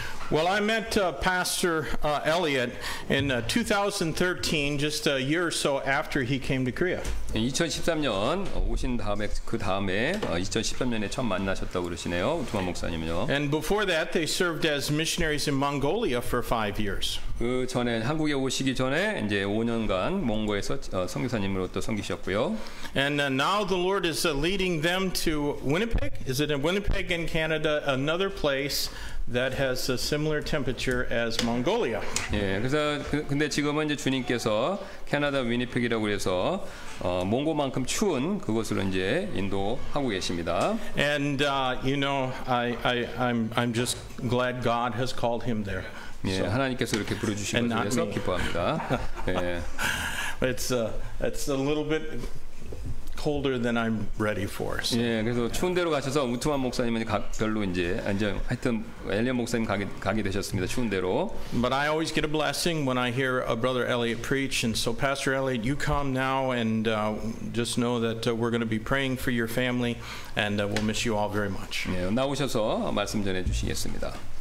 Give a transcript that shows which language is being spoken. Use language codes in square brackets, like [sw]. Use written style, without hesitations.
[en] Well, I met Pastor Elliot in 2013, just a year or so after he came to Korea. [ko] 2013년 오신 다음에 그 다음에 2013년에 처음 만나셨다고 그러시네요, 우투만 목사님요. [en] And before that, they served as missionaries in Mongolia for 5 years. [ko] 그 전에 한국에 오시기 전에 이제 5년간 몽고에서 선교사님으로 또 섬기셨고요. [en] And now the Lord is leading them to Winnipeg. Is it in Winnipeg in Canada, another place that has a similar temperature as Mongolia? [ko] 예, 그래서 근데 지금은 이제 주님께서 캐나다 위니펙이라고 해서 몽고만큼 추운 그곳으로 이제 인도하고 계십니다. [en] And you know, I'm just glad God has called him there. [ko] 예, 하나님께서 이렇게 부르주신 것에 대해서 기뻐합니다. 예. [en] It's a little bit colder than I'm ready for. So. [ko] 예, 그래서 추운 데로 가셔서 우투만 목사님은 별로 이제 하여튼 엘리엇 목사님 가게 되셨습니다. 추운 데로. [en] But I always get a blessing when I hear a brother Elliot preach, and so Pastor Elliot, you come now and just know that we're going to be praying for your family, and we'll miss you all very much. [ko] 예, 나오셔서 말씀 전해주시겠습니다.